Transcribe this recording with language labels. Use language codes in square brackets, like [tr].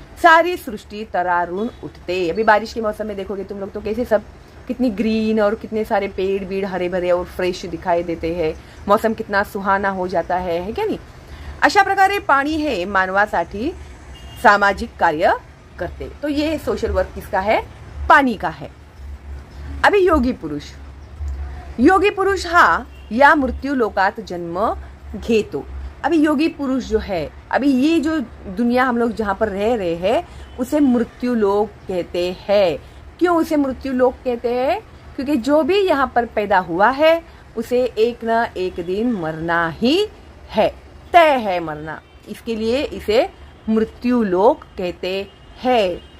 [mr] सारी सृष्टि तरारून उठते, [hi] अभी बारिश के मौसम में देखोगे तुम लोग तो कैसे सब कितनी ग्रीन और कितने सारे पेड़ बीड़ हरे भरे और फ्रेश दिखाई देते हैं, मौसम कितना सुहाना हो जाता है क्या नहीं। [mr] अशा प्रकारे पाणी है मानवासाठी सामाजिक कार्य करते, [hi] तो ये सोशल वर्क किसका है, पाणी का है। [mr] अभी योगी पुरुष, योगी पुरुष हा या मृत्यु लोकात जन्म घेतो। [hi] अभी योगी पुरुष जो है, अभी ये जो दुनिया हम लोग जहां पर रह रहे हैं उसे मृत्यु लोक कहते हैं। क्यों उसे मृत्यु लोक कहते हैं, क्योंकि जो भी यहां पर पैदा हुआ है उसे एक ना एक दिन मरना ही है, तय है मरना, इसके लिए इसे मृत्यु लोक कहते हैं।